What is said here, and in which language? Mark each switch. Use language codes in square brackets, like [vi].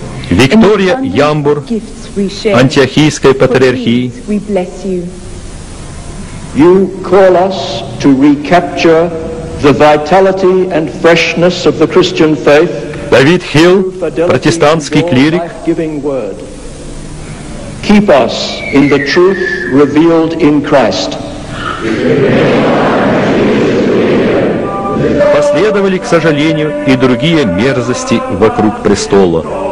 [ru] Виктория Ямбур, Антиохийской патриархии. [en] You call us to recapture the vitality and freshness of the Christian faith. [ru] Давид Хилл, протестантский клирик. [en] Keep us in the truth revealed in Christ. [ru] Последовали, к сожалению, и другие мерзости вокруг престола.